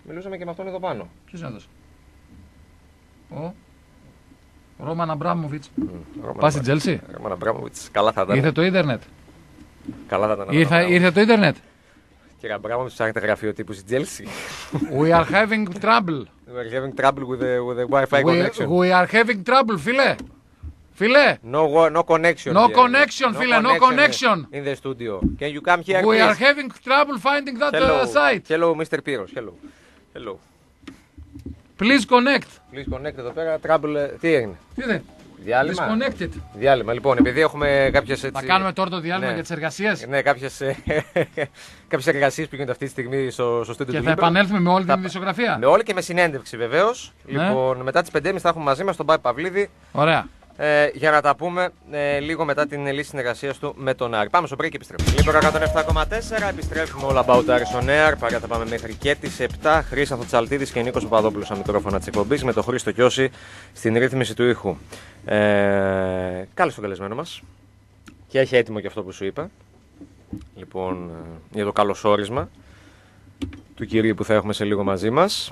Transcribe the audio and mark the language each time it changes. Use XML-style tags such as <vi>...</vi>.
<el>Μιλούσαμε και με αυτόν εδώ πάνω. Ποιος είναι αυτός? Ο Ρόμαν Αμπράμοβιτς. Πας στην Τζέλσι. Ρόμαν Αμπράμοβιτς, καλά θα ήταν. Ήρθε το ίντερνετ. Καλά θα ήταν. Ήρθε το ίντερνετ. Κύριε Αμπράμοβιτς, ψάχνετε γραφείο τύπου στην Τζέλσι.</el> <en>We are having trouble. We are having trouble with the Wi-Fi connection. We are having trouble,</en> <el>φίλε. Φίλε!</el> <en>No connection. No connection,</en> <el>φίλε,</el> <en>no connection. In the studio. Can you come here, we please? Are having trouble finding that site. Hello, Mr. Piros. Hello. Hello. Please connect. Please connect</en> <el>εδώ πέρα.</el> <en>Trouble,</en> <el>τι έγινε. Τι είναι. Διάλειμμα.</el> <en>Please connect it.</en> <el>Διάλειμμα, λοιπόν, επειδή έχουμε κάποιες έτσι... Θα κάνουμε τώρα το διάλειμμα, ναι, για τις εργασίες. Ναι, κάποιες εργασίες που γίνονται αυτή τη στιγμή στο studio. Και θα επανέλθουμε με όλη την δημοσιογραφία. Με όλη και με συνέντευξη, βεβαίως. Ναι. Λοιπόν, μετά τις 5.30 θα έχουμε μαζί μας τον Πάπη Παυλίδη. Ωραία. Για να τα πούμε λίγο μετά την λύση συνεργασίας του με τον Άρη. Πάμε στο break και επιστρέφουμε. Λίγο κατά 107,4, επιστρέφουμε All About Aris on Air. Παρά θα πάμε μέχρι και τις 7. Χρήστανθο Τσαλτίδης και Νίκος Παπαδόπουλος στα μικρόφωνα της εκπομπής με τον Χρήστο Κιώση στην ρύθμιση του ήχου. Κάλεσε τον καλεσμένο μας. Και έχει έτοιμο και αυτό που σου είπα. Λοιπόν, για το καλωσόρισμα του κυρίου που θα έχουμε σε λίγο μαζί μας.</el>